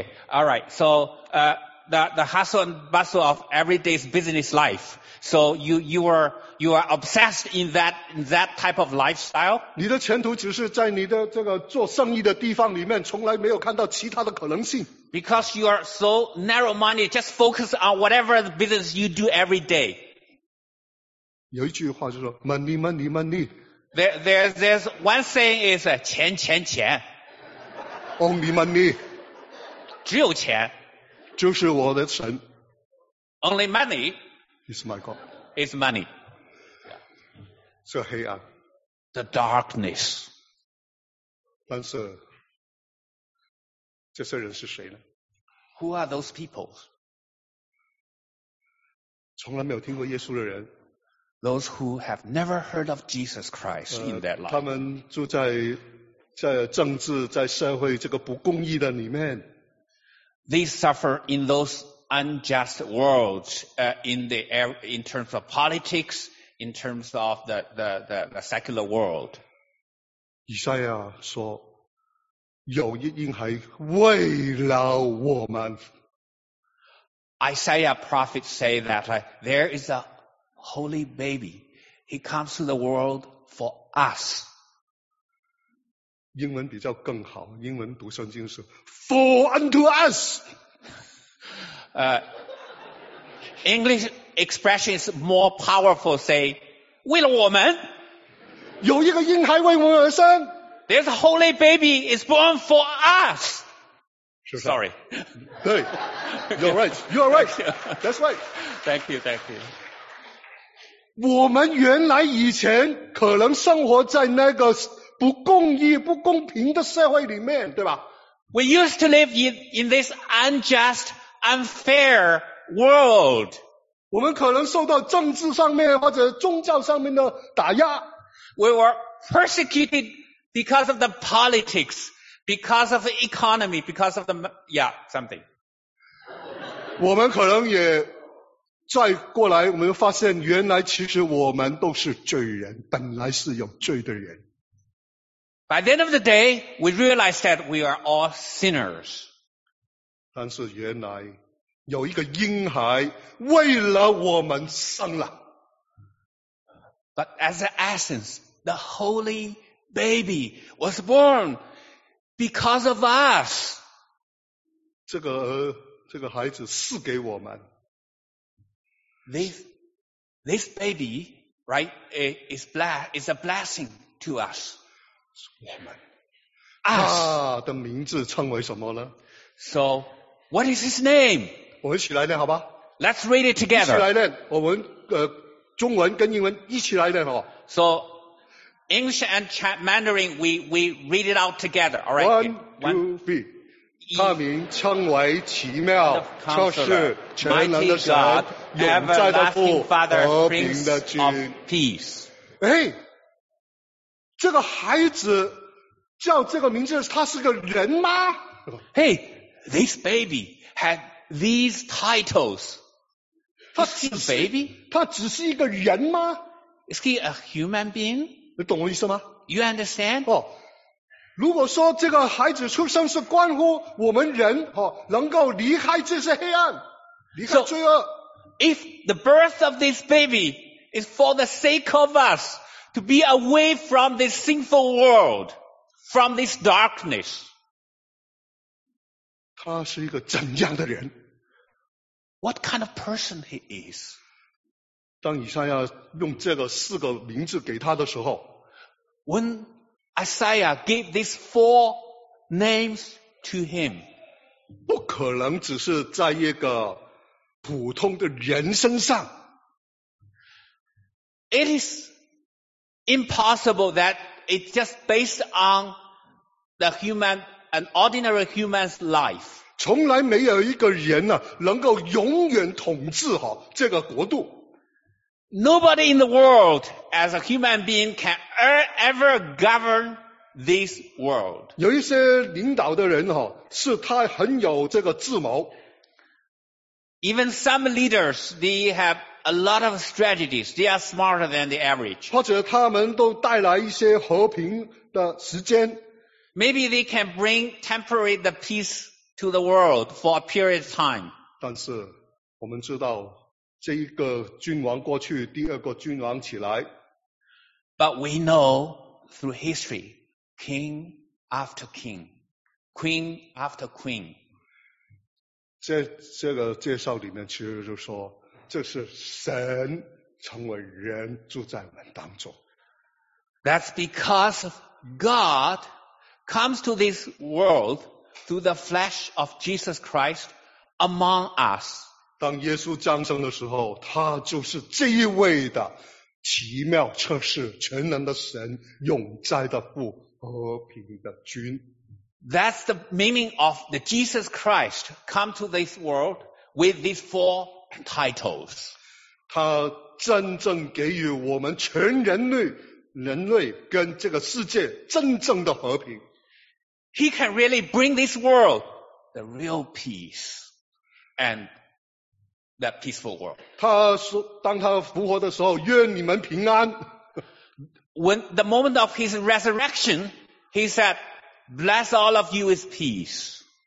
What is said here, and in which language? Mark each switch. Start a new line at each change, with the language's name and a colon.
English: The hustle and bustle of everyday's business life. So you are obsessed in that type of lifestyle.
Chinese: 你的前途只是在你的这个做生意的地方里面，从来没有看到其他的可能性。
English: Because you are so narrow-minded, just focus on whatever the business you do every day.
Chinese: 有一句话就说
English: money, money, money. There's one saying is
Chinese: 钱钱钱。
English: Only money.
Chinese: 只有钱。就是我的神。
English: Only money is my God. Is money.
Chinese: 这黑暗。
English: The darkness.
Chinese: 但是这些人是谁呢？
English: Who are those people?
Chinese: 从来没有听过耶稣的人。
English: Those who have never heard of Jesus Christ in that life.
Chinese: 他们住在政治在社会这个不公义的里面。
English: They suffer in those unjust world in terms of politics, in terms of the secular world.
Chinese: 以赛亚说，有一婴孩为了我们。
English: Isaiah prophet say that there is a holy baby. He comes to the world for us.
Chinese: 英文比较更好，英文读圣经是
English: for unto us. English expression is more powerful. Say
Chinese: 为了我们，有一个婴孩为我们而生。
English: This holy baby is born for us. Sorry. 对 You're right. You're right. That's right. Thank you. Thank you.
Chinese: 我们原来以前可能生活在那个不公义不公平的社会里面，对吧？
English: We used to live in this unjust, unfair world.
Chinese: 我们可能受到政治上面或者宗教上面的打压。
English: We were persecuted because of the politics, because of the economy, because of the, yeah, something.
Chinese: 我们可能也再过来，我们发现原来其实我们都是罪人，本来是有罪的人。
English: By the end of the day, we realize that we are all sinners.
Chinese: 但是原来有一个婴孩为了我们生了。
English: But as the essence, the holy baby was born because of us.
Chinese: 这个孩子赐给我们。
English: This baby, right, is a blessing to us.
Chinese: 我们。
English: Us.
Chinese: 他的名字称为什么呢？
English: So, what is his name?
Chinese: 我们一起来念好吧。
English: Let's read it together.
Chinese: 一起来念，我们中文跟英文一起来念好。
English: So,English and Mandarin, we read it out together, alright? One, two, three.
Chinese: 他名称为奇妙，就是全能的神，永在的父，和平的君。哎，这个孩子叫这个名字，他是个人吗？
English: Hey, this baby had these titles. He's a baby?
Chinese: 他只是一个人吗？
English: Is he a human being?
Chinese: 你懂我意思吗？
English: You understand?
Chinese: 哦，如果说这个孩子出生是关乎我们人，哦，能够离开这些黑暗，离开罪恶。
English: So, if the birth of this baby is for the sake of us to be away from this sinful world, from this darkness.
Chinese: 他是一个怎样的人？
English: What kind of person he is?
Chinese: 当以赛亚用这个四个名字给他的时候
English: ，When Isaiah gave these four names to him，
Chinese: 不可能只是在一个普通的人身上。
English: It is impossible that it's just based on the human, an ordinary human's life。
Chinese: 从来没有一个人呢、啊、能够永远统治好这个国度。
English: Nobody in the world as a human being can ever govern this world.
Chinese: 有一些领导的人是他很有这个智谋。
English: Even some leaders, they have a lot of strategies. They are smarter than the average.
Chinese: 或者他们都带来一些和平的时间。
English: Maybe they can bring temporary the peace to the world for a period of time.
Chinese: 但是我们知道这一个君王过去，第二个君王起来。
English: But we know through history, king after king, queen after queen.
Chinese: 这个介绍里面其实就说，这是神成为人住在我们当中。
English: That's because God comes to this world through the flesh of Jesus Christ among us.
Chinese: 当耶稣降生的时候，他就是这一位的奇妙测试，全能的神，永在的父，和平的君。
English: That's the meaning of the Jesus Christ come to this world with these four titles.
Chinese: 他真正给予我们全人类跟这个世界真正的和平。
English: He can really bring this world the real peace and that peaceful world.
Chinese: 当他复活的时候, 愿你们平安。
English: When the moment of his resurrection, he said, bless all of you with peace.